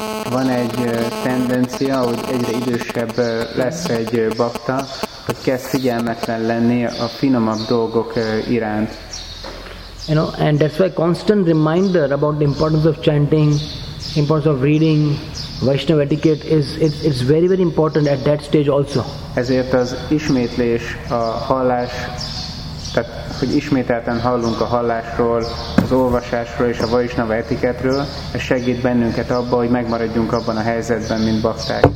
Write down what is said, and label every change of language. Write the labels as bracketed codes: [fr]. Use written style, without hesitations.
[hu] Van egy tendencia, hogy egyre idősebb lesz egy bakta, hogy kezd figyelmetlen lenni a finomabb dolgok iránt. [en] You know, and that's why constant reminder about the importance of chanting, importance of reading Vaishnava etiquette is very, very important at that stage also. [hu] Ezért az ismétlés, a hallás, tehát hogy ismételten hallunk a hallásról, az olvasásról és a Vaisnava etiketről, ez segít bennünket abba, hogy megmaradjunk abban a helyzetben, mint bakták.